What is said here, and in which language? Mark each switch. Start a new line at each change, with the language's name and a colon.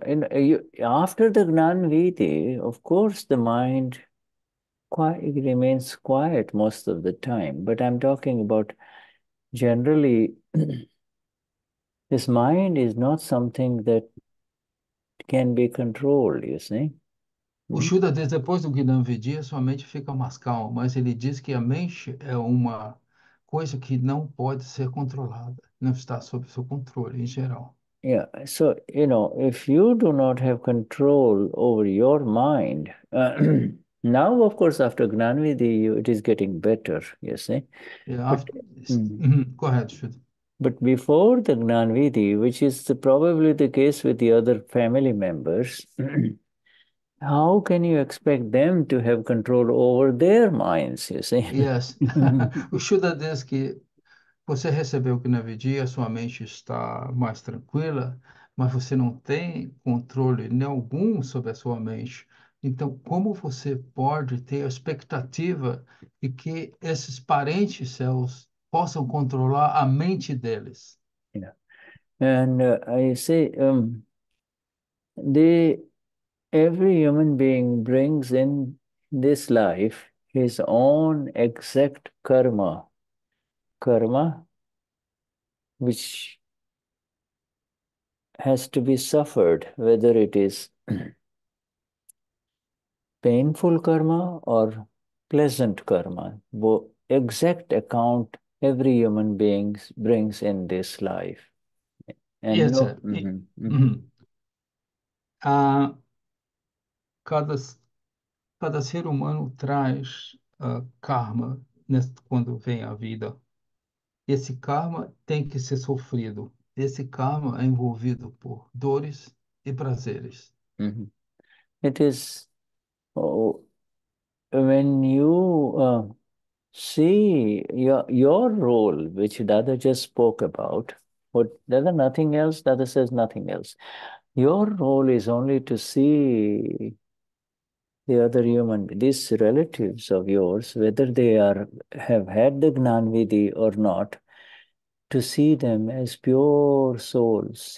English: And after the Gnanviti, of course, the mind it remains quiet most of the time. But I'm talking about generally, this mind is not something that can be controlled, you see?
Portuguese: O Shuddha diz, depois do Gnanvidi, a sua mente fica mais calma, mas ele diz que a mente é uma coisa que não pode ser controlada, não está sob seu controle em geral.
English: If you do not have control over your mind, now, of course, after Gnanvidhi, it is getting better, you see. But Go ahead, Shuddha. before the Gnanvidhi, which is probably the case with the other family members, How can you expect them to have control over their minds, you see? Yes.
Portuguese: O Shuddha diz que você recebeu o Gnani, a sua mente está mais tranquila, mas você não tem controle nenhum sobre a sua mente. Então, como você pode ter a expectativa de que esses parentes seus possam controlar a mente deles?
English: And I say the every human being brings in this life his own exact karma, karma which has to be suffered, whether it is painful karma or pleasant karma. Bo exact account every human being brings in this life. And Yes, no. sir.
Portuguese: Cada ser humano traz karma quando vem à vida. Esse karma tem que ser sofrido. Esse karma é envolvido por dores e prazeres.
English: It is when you see your role, which Dada just spoke about. But there's nothing else. Dada says nothing else. Your role is only to see the other human, these relatives of yours, whether they are have had the Gnanvidhi or not, to see them as pure souls.